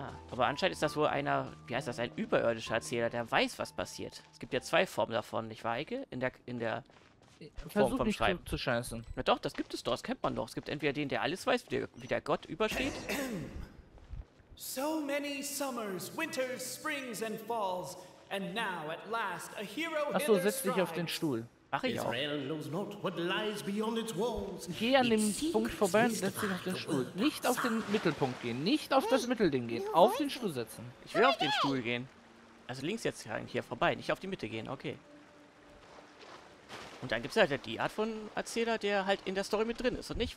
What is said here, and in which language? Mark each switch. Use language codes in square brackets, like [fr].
[de] Aber anscheinend ist das wohl einer, wie heißt das, ein überirdischer Erzähler, der weiß, was passiert. Es gibt ja zwei Formen davon, nicht wahr, Eike? In der Form vom Schreiben. Versuch nicht zu scheißen. Na doch, das gibt es doch, das kennt man doch. Es gibt entweder den, der alles weiß, wie der Gott übersteht. [en] So many summers, winters, springs and falls, and now at last a hero hither strides. [de] Achso, setz dich auf den Stuhl. Mach ich auch. [en] Israel knows not what lies beyond its walls. [de] Geh an dem Punkt vorbei und setz dich auf den Stuhl. Nicht auf den Mittelpunkt gehen, nicht auf das Mittelding gehen. Auf den Stuhl setzen. Ich will auf den Stuhl gehen. Also links jetzt hier vorbei, nicht auf die Mitte gehen, okay. Und dann gibt es halt die Art von Erzähler, der halt in der Story mit drin ist und nicht